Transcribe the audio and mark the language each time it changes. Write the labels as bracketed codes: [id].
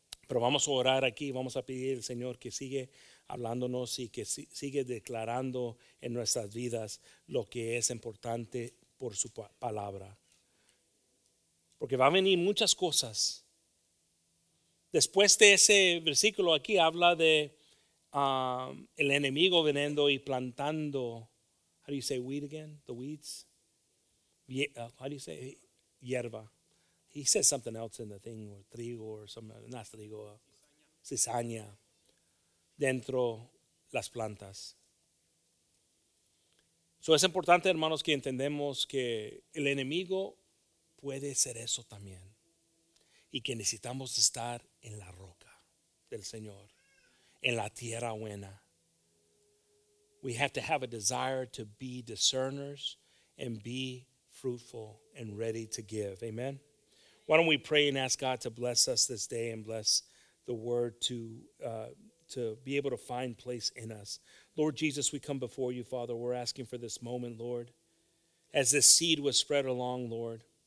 [es] Pero vamos a orar aquí, vamos a pedir al Señor que sigue hablándonos y que sigue declarando en nuestras vidas lo que es importante por su palabra. Porque va a venir muchas cosas. Después de ese versículo aquí habla de el enemigo veniendo y plantando. [en] How do you say weed again? The weeds? How do you say it? Hierba. He says something else in the thing, or trigo, or something. [es] Not trigo. Cizaña. Dentro las plantas. So es importante, hermanos, que entendemos que el enemigo puede ser eso también. Y que necesitamos estar en la roca del Señor. En la tierra buena. [en] We have to have a desire to be discerners and be fruitful and ready to give. Amen. Why don't we pray and ask God to bless us this day and bless the word to be able to find place in us. Lord Jesus, we come before you, Father. We're asking for this moment, Lord, as this seed was spread along, Lord.